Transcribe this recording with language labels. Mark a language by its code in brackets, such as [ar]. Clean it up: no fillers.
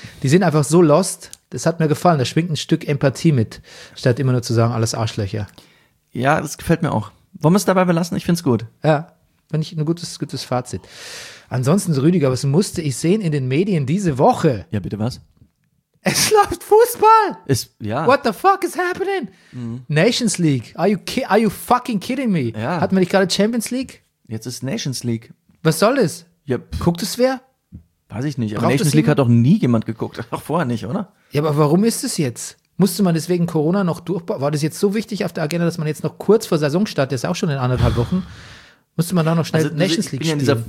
[de] Die sind einfach so lost, das hat mir gefallen, da schwingt ein Stück Empathie mit, statt immer nur zu sagen, alles Arschlöcher. Ja, das gefällt mir auch. Wollen wir es dabei belassen? Ich find's gut. Ja, finde ich ein gutes Fazit. Ansonsten, Rüdiger, was musste ich sehen in den Medien diese Woche? Ja, bitte was? Es läuft Fußball! Ja. [en] What the fuck is happening? Mhm. [de] Nations League. [en] Are you fucking kidding me? [de] Ja. Hat man nicht gerade Champions League? Jetzt ist Nations League. Was soll das? Ja, guckt es wer? Weiß ich nicht. Braucht aber Nations League hat doch nie jemand geguckt. Auch vorher nicht, oder? Ja, aber warum ist es jetzt? Musste man deswegen Corona noch durchbauen? War das jetzt so wichtig auf der Agenda, dass man jetzt noch kurz vor Saisonstart, der ist auch schon in 1,5 Wochen, musste man da noch schnell Nations League spielen?